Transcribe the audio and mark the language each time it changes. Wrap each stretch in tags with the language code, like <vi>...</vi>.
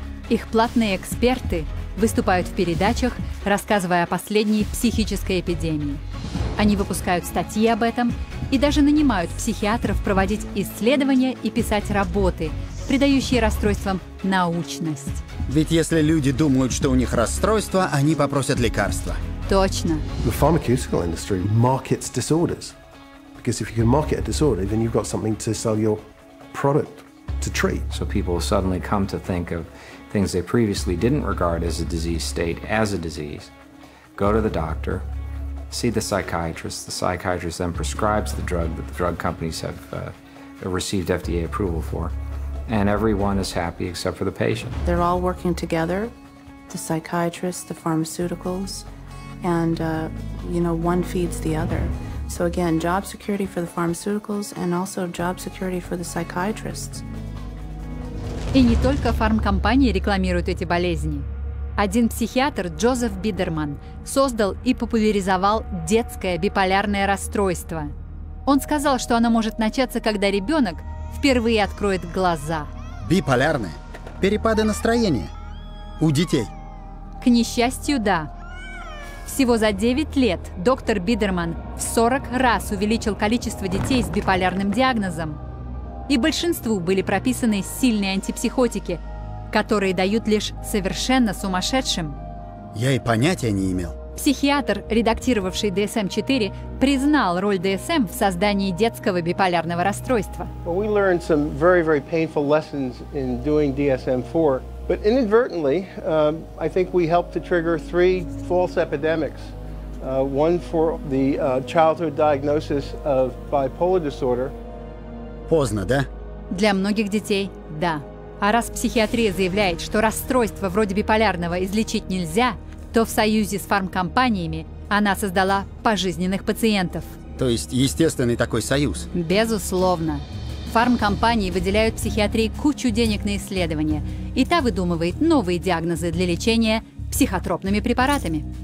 <ru>Их платные эксперты выступают в передачах, рассказывая о последней психической эпидемии. Они выпускают статьи об этом и даже нанимают психиатров проводить исследования и писать работы, придающие расстройствам научность. Ведь если люди думают, что у них расстройство, они попросят лекарства. Точно.</ru> <en>The pharmaceutical industry markets disorders. Because if you can market a disorder, then you've got something to sell your product to treat. So people suddenly come to think of things they previously didn't regard as a disease state as a disease, go to the doctor, see the psychiatrist then prescribes the drug that the drug companies have received FDA approval for, and everyone is happy except for the patient. They're all working together, the psychiatrists, the pharmaceuticals, and you know, one feeds the other. So again, job security for the pharmaceuticals and also job security for the psychiatrists.</en> <ru>И не только фармкомпании рекламируют эти болезни. Один психиатр, Джозеф Бидерман, создал и популяризовал детское биполярное расстройство. Он сказал, что оно может начаться, когда ребенок впервые откроет глаза. Биполярное? Перепады настроения? У детей? К несчастью, да. Всего за 9 лет доктор Бидерман в 40 раз увеличил количество детей с биполярным диагнозом. И большинству были прописаны сильные антипсихотики, которые дают лишь совершенно сумасшедшим. Я и понятия не имел. Психиатр, редактировавший DSM-4, признал роль DSM в создании детского биполярного расстройства.</ru> <en>We learned some very, very painful lessons in doing DSM-4. But inadvertently, I think we helped to trigger three false epidemics. One for the childhood diagnosis of bipolar disorder.</en> <ru>Поздно, да? Для многих детей – да. А раз психиатрия заявляет, что расстройство вроде биполярного излечить нельзя, то в союзе с фармкомпаниями она создала пожизненных пациентов. То есть естественный такой союз? Безусловно. Фармкомпании выделяют психиатрии кучу денег на исследования, и та выдумывает новые диагнозы для лечения психотропными препаратами.</ru>